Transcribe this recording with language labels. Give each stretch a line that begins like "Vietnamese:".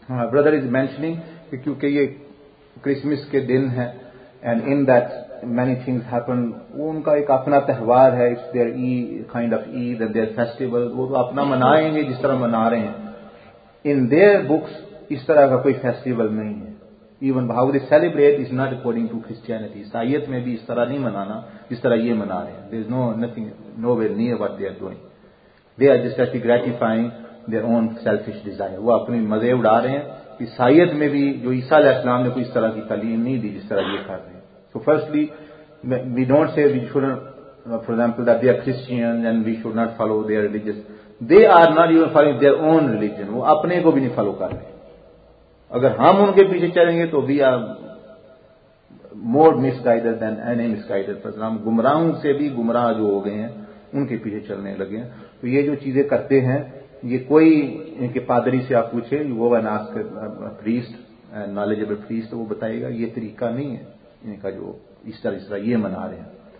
English: Brother is mentioning because
Urdu: ये Christmas के दिन है,
English: and in that many things happen.
Urdu: वो उनका एक अपना त्यौहार है,
English: it's their kind of Eid and their festival.
Urdu: वो तो अपना मनाएंगे जिस तरह मना रहे हैं.
English: In their books,
Urdu: इस तरह का कोई festival नहीं है.
English: Even how they celebrate is not according to Christianity.
Urdu: ईसाइयत में भी इस तरह नहीं मनाना जिस तरह ये मना रहे हैं.
English: There's no nothing nowhere near what they are doing. They are just actually gratifying their own selfish desire.
Urdu: وہ اپنی مزے اڑا رہے ہیں. عیسائیت میں بھی جو عیسیٰ علیہ السلام نے کوئی اس طرح کی تعلیم نہیں دی جس طرح یہ کر رہے ہیں.
English: So firstly, we don't say we shouldn't, for example, that they are Christians and we should not follow their religious. They are not even following their own religion.
Urdu: وہ اپنے کو بھی نہیں فالو کر رہے ہیں. اگر ہم ان کے پیچھے چلیں گے تو
English: we are more misguided than any misguided person.
Urdu: ہم گمراہوں سے بھی گمراہ جو ہو گئے ہیں ان کے پیچھے چلنے لگے ہیں. تو یہ جو چیزیں کرتے ہیں, یہ کوئی ان کے پادری سے آپ پوچھے,
English: وہ one ask priest, knowledgeable priest,
Urdu: وہ بتائے گا یہ طریقہ نہیں ہے ان کا جو اس طرح یہ منا رہے ہیں.